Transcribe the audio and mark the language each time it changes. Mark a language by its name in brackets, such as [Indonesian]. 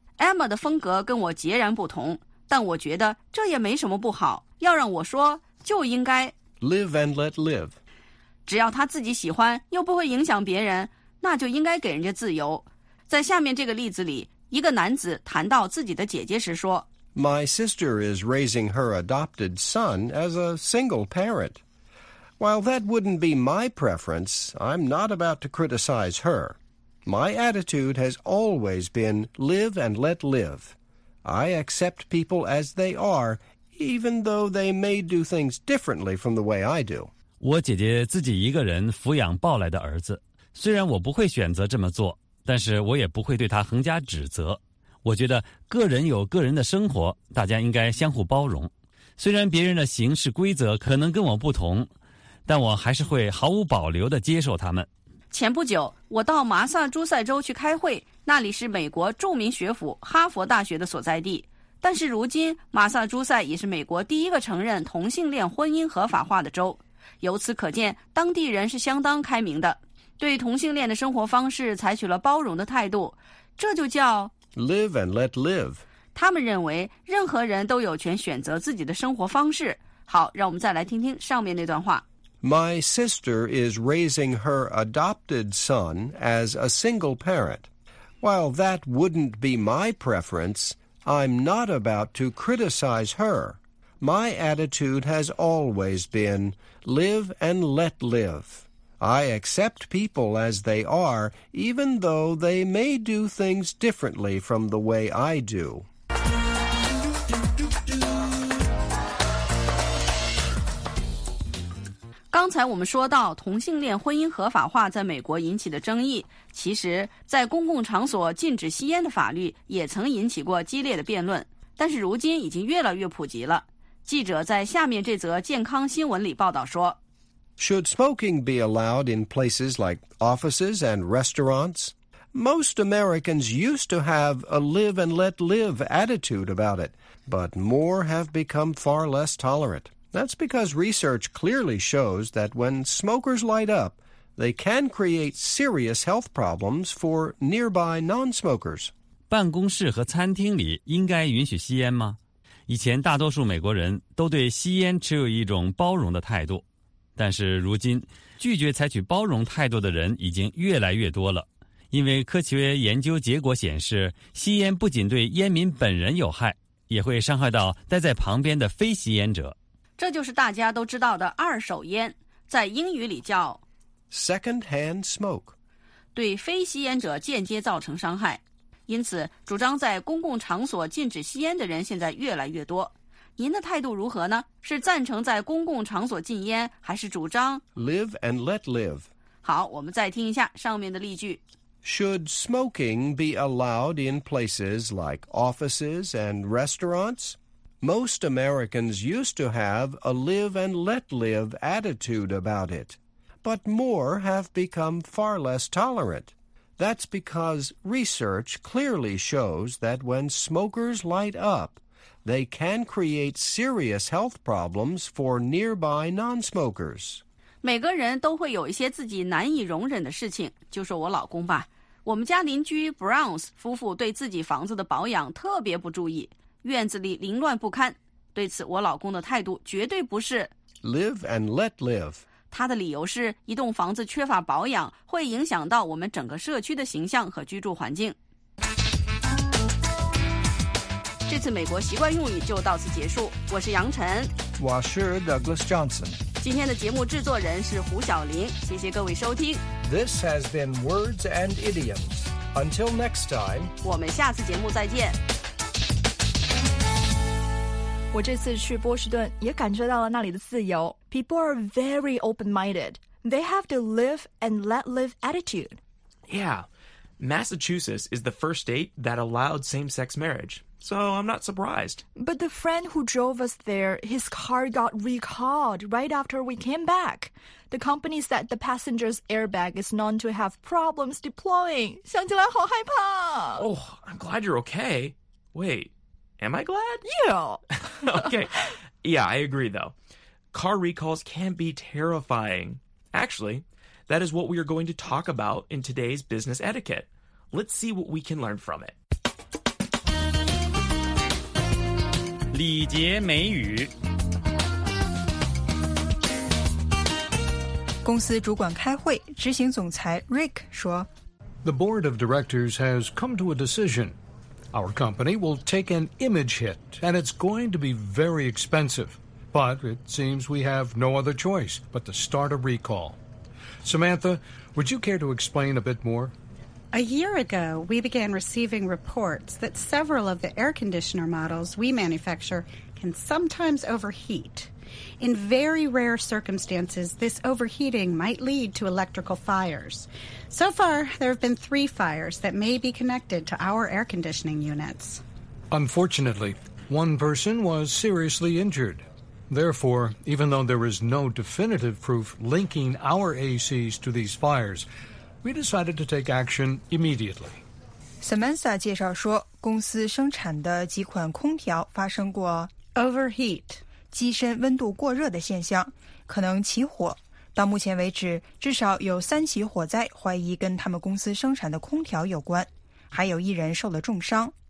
[Chinese] Emma 的风格跟我截然不同，但我觉得这也没什么不好。要让我说就应该。 [English] Live and let live. [Chinese] 只要他自己喜欢又不会影响别人，那就应该给人家自由。在下面这个例子里，一个男子谈到自己的姐姐时说， [English] My sister is raising her adopted son as a single parent. While that wouldn't be my preference, I'm not about to criticize her. My attitude has always been live and let live. I accept people as they are, even though they may do things differently from the way I do. [Chinese] 我姐姐自己一个人抚养抱来的儿子，虽然我不会选择这么做，但是我也不会对她横加指责。我觉得个人有个人的生活，大家应该相互包容。虽然别人的行事规则可能跟我不同，但我还是会毫无保留地接受他们。前不久，我到马萨诸塞州去开会，那里是美国著名学府哈佛大学的所在地。但是如今，马萨诸塞也是美国第一个承认同性恋婚姻合法化的州。由此可见，当地人是相当开明的，对同性恋的生活方式采取了包容的态度。这就叫 [English] Live and let live. [Chinese] 他们认为任何人都有权选择自己的生活方式。好，让我们再来听听上面那段话。 [English] My sister is raising her adopted son as a single parent. While that wouldn't be my preference, I'm not about to criticize her. My attitude has always been live and let live. I accept people as they are, even though they may do things differently from the way I do. [Chinese] 刚才我们说到同性恋婚姻合法化在美国引起的争议，其实在公共场所禁止吸烟的法律也曾引起过激烈的辩论，但是如今已经越来越普及了。记者在下面这则健康新闻里报道说， [English] Should smoking be allowed in places like offices and restaurants? Most Americans used to have a live and let live attitude about it, but more have become far less tolerant. That's because research clearly shows that when smokers light up, they can create serious health problems for nearby non-smokers. [Chinese] 办公室和餐厅里应该允许吸烟吗？以前大多数美国人都对吸烟持有一种包容的态度，但是如今，拒绝采取包容态度的人已经越来越多了。因为科学研究结果显示，吸烟不仅对烟民本人有害，也会伤害到待在旁边的非吸烟者。这就是大家都知道的二手烟，在英语里叫 [English] second hand smoke， [Chinese] 对非吸烟者间接造成伤害。因此，主张在公共场所禁止吸烟的人现在越来越多。您的态度如何呢？是赞成在公共场所禁烟，还是主张 [English] live and let live？ [Chinese] 好，我们再听一下上面的例句。 [English] Should smoking be allowed in places like offices and restaurants? Most Americans used to have a live and let live attitude about it, but more have become far less tolerant. That's because research clearly shows that when smokers light up, they can create serious health problems for nearby non-smokers. [Chinese] 每个人都会有一些自己难以容忍的事情，就说我老公吧。我们家邻居 Browns 夫妇对自己房子的保养特别不注意。院子里凌乱不堪，对此我老公的态度绝对不是 live and let live。他的理由是一栋房子缺乏保养会影响到我们整个社区的形象和居住环境。这次美国习惯用语就到此结束，我是杨晨，我是 Douglas Johnson。今天的节目制作人是胡晓林，谢谢各位收听。 [English] This has been Words and Idioms. Until next time， [Chinese] 我们下次节目再见。我这次去波士顿也感受到了那里的自由。 [English] People are very open-minded. They have the live and let live attitude. Yeah. Massachusetts is the first state that allowed same-sex marriage. So I'm not surprised. But the friend who drove us there, his car got recalled right after we came back. The company said the passenger's airbag is known to have problems deploying. [Chinese] 想起来好害怕。 [English] Oh, I'm glad you're okay. Wait. Am I glad? Yeah. Okay. Yeah, I agree, though. Car recalls can be terrifying. Actually, that is what we are going to talk about in today's business etiquette. Let's see what we can learn from it. [Chinese] 礼节美语。公司主管开会，执行总裁 Rick 说， [English] The board of directors has come to a decision. Our company will take an image hit, and it's going to be very expensive. But it seems we have no other choice but to start a recall. Samantha, would you care to explain a bit more? A year ago, we began receiving reports that several of the air conditioner models we manufacture can sometimes overheat. In very rare circumstances, this overheating might lead to electrical fires. So far, there have been 3 fires that may be connected to our air conditioning units. Unfortunately, one person was seriously injured. Therefore, even though there is no definitive proof linking our ACs to these fires, we decided to take action immediately. [Chinese] Samantha 介绍说，公司生产的几款空调发生过 [English] overheat, [Chinese] 机身温度过热的现象，可能起火。到目前为止，至少有3起火灾怀疑跟他们公司生产的空调有关，还有一人受了重伤。